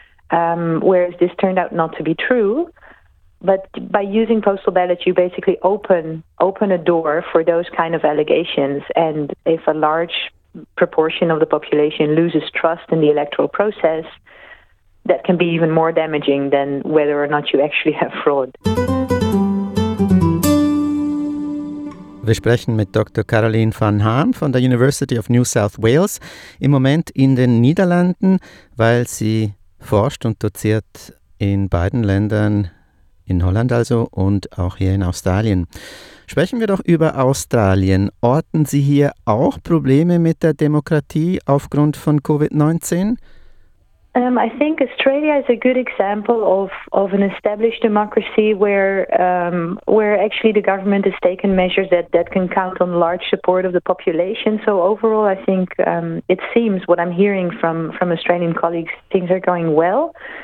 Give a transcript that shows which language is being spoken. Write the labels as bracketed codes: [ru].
[en] Whereas this turned out not to be true. But by using postal ballots, you basically open a door for those kind of allegations. And if a large proportion of the population loses trust in the electoral process, that can be even more damaging than whether or not you actually have fraud. [de] Wir sprechen mit Dr. Caroline van Haan von der University of New South Wales, im Moment in den Niederlanden, weil sie forscht und doziert in beiden Ländern, in Holland also und auch hier in Australien. Sprechen wir doch über Australien. Orten Sie hier auch Probleme mit der Demokratie aufgrund von Covid-19? [en] I think Australia is a good example of an established democracy where actually the government has taken measures that can count on large support of the population. So overall, I think it seems what I'm hearing from Australian colleagues, things are going well.